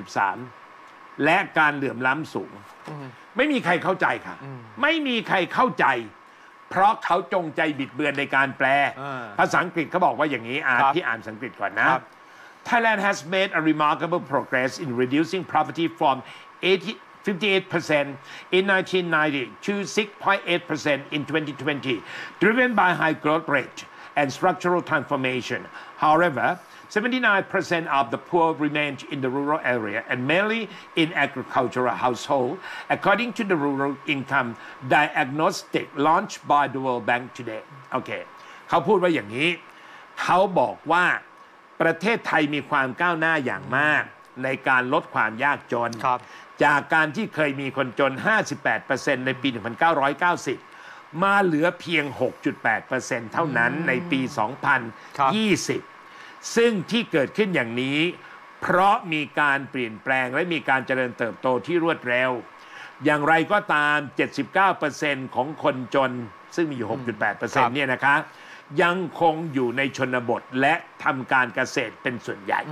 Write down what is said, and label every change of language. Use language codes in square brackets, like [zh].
[th] 2563และการเหลื่อมล้ำสูงไม่มีใครเข้าใจค่ะไม่มีใครเข้าใจเพราะเขาจงใจบิดเบือนในการแปลภาษาอังกฤษเขาบอกว่าอย่างนี้อ่านที่อ่านภาษาอังกฤษก่อนนะ [en] Thailand has made a remarkable progress in reducing poverty from 58% in 1990 to 6.8% in 2020, driven by high growth rate and structural transformation. However, 79% of the poor remain in the rural area and mainly in agricultural households, according to the Rural Income Diagnostic launched by the World Bank today. Okay. [th] เขาพูดว่าอย่างนี้เขาบอกว่าประเทศไทยมีความก้าวหน้าอย่างมากในการลดความยากจนจากการที่เคยมีคนจน 58% ในปี 1990มาเหลือเพียง 6.8% เท่านั้นในปี2020ซึ่งที่เกิดขึ้นอย่างนี้เพราะมีการเปลี่ยนแปลงและมีการเจริญเติบโตที่รวดเร็วอย่างไรก็ตาม 79% ของคนจนซึ่งมีอยู่ 6.8% เนี่ยนะคะยังคงอยู่ในชนบทและทำการเกษตรเป็นส่วนใหญ